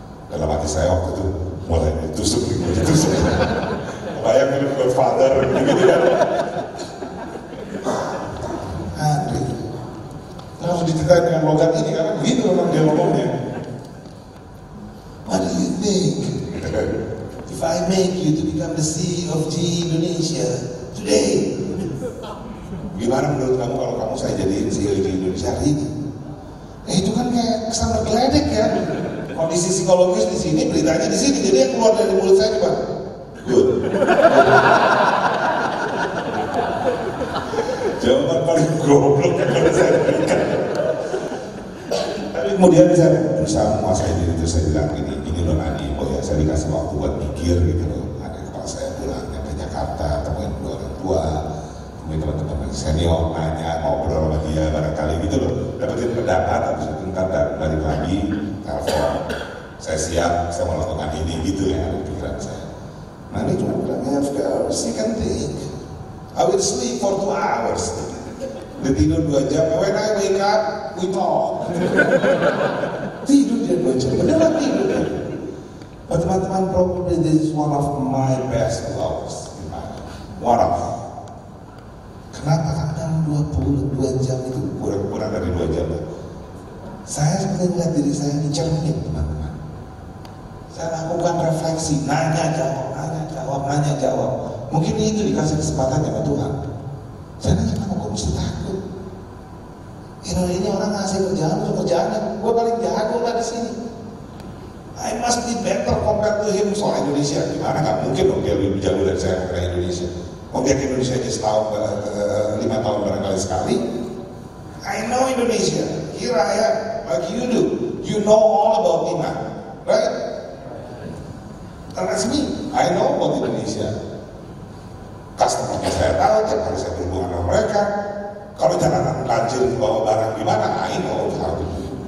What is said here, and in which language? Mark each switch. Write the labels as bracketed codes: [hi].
[id] Dalam hati saya waktu itu, mulai ditusuk, mulai ditusuk. Kebayang ini buat father, gitu kan. Andri, kita harus diceritain dengan logat ini, karena begitu memang dia ngomongnya. [en] What do you think? If I make you to become the CEO of GE Indonesia today, [id] gimana menurut kamu kalau kamu saya jadiin CEO di Indonesia hari ini? Ya itu kan kayak kesan tergeledek ya. Kondisi psikologis di sini, beritanya di sini. Jadi yang keluar dari mulut saya cuma, good. Jawaban paling goblok yang pernah saya berikan. Tapi kemudian saya berusaha menguasai diri, terus saya bilang gini, ini loh Nani, oh ya, saya dikasih waktu buat pikir gitu loh. Ada kepala saya pulang ke Jakarta, temuin dua orang tua, temuin teman-teman yang senior, nanya, ngobrol sama dia barangkali gitu loh, dapetin pendapat, habis itu ntar balik lagi, telepon, saya siap, saya mau lakukan ini, gitu ya, pikiran saya. Nani cuma bilang, [en] I have girls, you can think, I will sleep for 2 hours. [id] Dia tidur 2 jam, [en] when I wake up, we talk. [id] Tidur dia 2 jam, beneran tidur. [en] But teman-teman, probably this is one of my best loves. One of. [id] Kenapa kadang 22 jam itu kurang dari 2 jam? Saya sebenarnya lihat diri saya ini cermin, teman-teman. Saya lakukan refleksi, nanya jawab. Mungkin itu dikasih kesempatan sama Tuhan. Saya nanya, kenapa kok mesti takut? Ini orang ngasih kerjaan, gue paling jago lah di sini. [en] I must be better compared to him, [id] soal Indonesia. Gimana gak mungkin dong dia lebih jago dari saya dari Indonesia. Oh, dia ke Indonesia aja setahun, 5 tahun barangkali sekali. [en] I know Indonesia, here I am, like you do. You know all about Timah, right? That's me, I know about Indonesia. [id] Customer saya tahu, tiap hari saya berhubungan sama mereka. Kalau jalanan lancir bawa barang gimana, [en] I know how to do.